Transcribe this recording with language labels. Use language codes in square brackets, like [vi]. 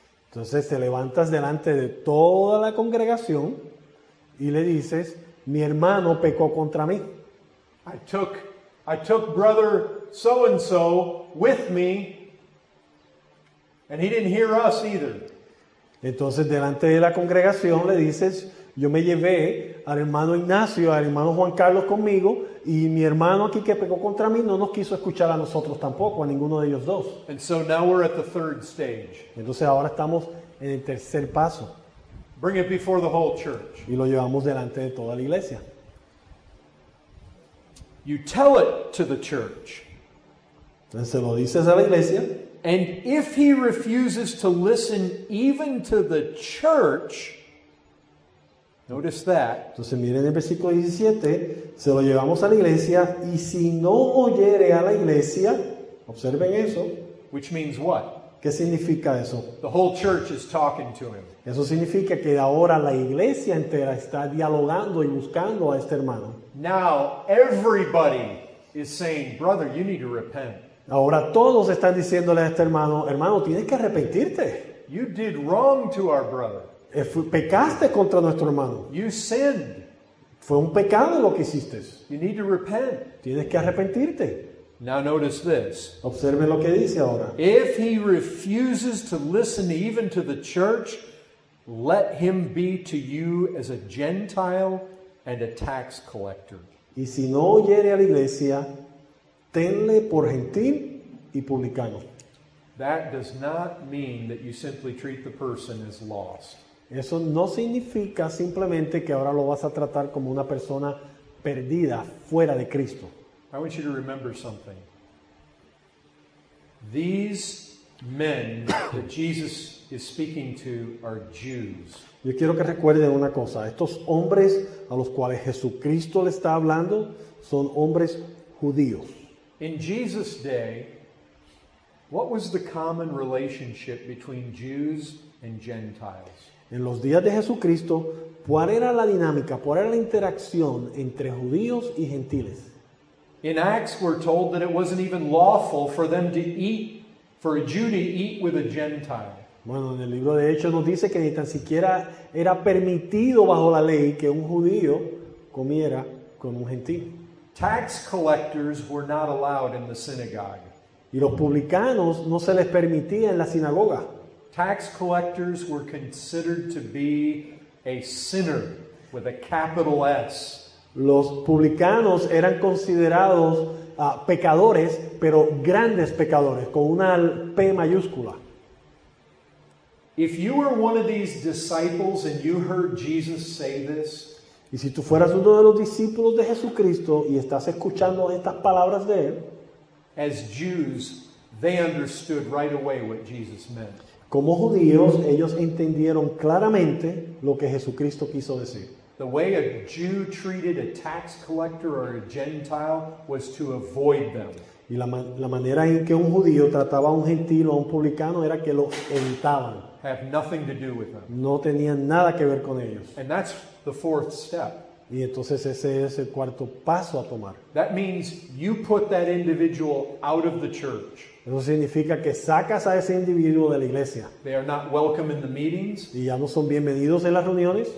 [es] Entonces te levantas delante de toda la congregación y le dices, mi hermano pecó contra mí. [en] I took brother so and so with me, and he didn't hear us either. [es] Entonces, delante de la congregación le dices, yo me llevé al hermano Ignacio, al hermano Juan Carlos conmigo, y mi hermano aquí que pecó contra mí no nos quiso escuchar a nosotros tampoco, a ninguno de ellos dos. [en] And so now we're at the third stage. [es] Entonces ahora estamos en el tercer paso. [en] Bring it before the whole church. [es] Y lo llevamos delante de toda la iglesia. [en] You tell it to the church. [es] Entonces lo dices a la iglesia. [en] And if he refuses to listen even to the church, notice that. [es] Entonces miren el versículo 17, se lo llevamos a la iglesia, y si no oyere a la iglesia, observen eso. [en] Which means what? [es] ¿Qué significa eso? [en] The whole church is talking to him. [es] Eso significa que ahora la iglesia entera está dialogando y buscando a este hermano. [en] Now everybody is saying, brother, you need to repent. [es] Ahora todos están diciéndole a este hermano, hermano, tienes que arrepentirte. [en] You did wrong to our brother. [es] Pecaste contra nuestro hermano. [en] You sinned. [es] Fue un pecado lo que hiciste. [en] You need to repent. [es] Tienes que arrepentirte. [en] Now notice this. [es] Observe lo que dice ahora. [en] If he refuses to listen even to the church, let him be to you as a Gentile and a tax collector. [es] Y si no oyere a la iglesia, tenle por gentil y publicano. [en] That does not mean that you simply treat the person as lost. [es] Eso no significa simplemente que ahora lo vas a tratar como una persona perdida, fuera de Cristo. [en] I want you to remember something. These men that Jesus is speaking to are Jews. [es] Yo quiero que recuerden una cosa. Estos hombres a los cuales Jesucristo le está hablando son hombres judíos. [en] In Jesus' day, what was the common relationship between Jews and Gentiles? [es] En los días de Jesucristo, ¿cuál era la dinámica, cuál era la interacción entre judíos y gentiles? [en] In Acts, we're told that it wasn't even lawful for them to eat, for a Jew to eat with a Gentile. [es] Bueno, en el libro de Hechos nos dice que ni tan siquiera era permitido bajo la ley que un judío comiera con un gentil. [en] Tax collectors were not allowed in the synagogue. [es] Y los publicanos no se les permitía en la sinagoga. [en] Tax collectors were considered to be a sinner with a capital S. [es] Los publicanos eran considerados pecadores, pero grandes pecadores, con una P mayúscula. [en] If you were one of these disciples and you heard Jesus say this, [es] y si tú fueras uno de los discípulos de Jesucristo y estás escuchando estas palabras de él, [en] as Jews, They understood right away what Jesus meant. [es] Como judíos, ellos entendieron claramente lo que Jesucristo quiso decir. [en] The way a Jew treated a tax collector or a Gentile was to avoid them. [es] Y la manera en que un judío trataba a un gentil o a un publicano era que lo evitaban. [en] Have nothing to do with them. [es] No tenían nada que ver con ellos. [en] And that's the fourth step. [es] Y entonces ese es el cuarto paso a tomar. [en] That means you put that individual out of the church. [es] Eso significa que sacas a ese individuo de la iglesia. [en] They are not welcome in the meetings. [es] Y ya no son bienvenidos en las reuniones.